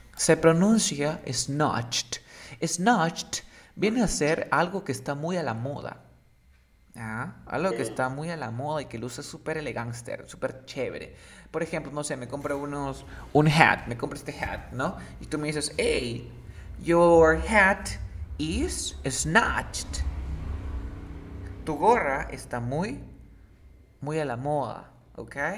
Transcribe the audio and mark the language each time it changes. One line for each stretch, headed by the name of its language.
Spanish: Se pronuncia snatched. Snatched viene a ser algo que está muy a la moda. ¿Ah? Algo que está muy a la moda y que luce súper elegánster, súper chévere. Por ejemplo, no sé, me compro un hat, me compro este hat, ¿no? Y tú me dices,
English: hey, your hat is snatched.
Spanish: Tu gorra está muy, muy a la moda, ¿ok?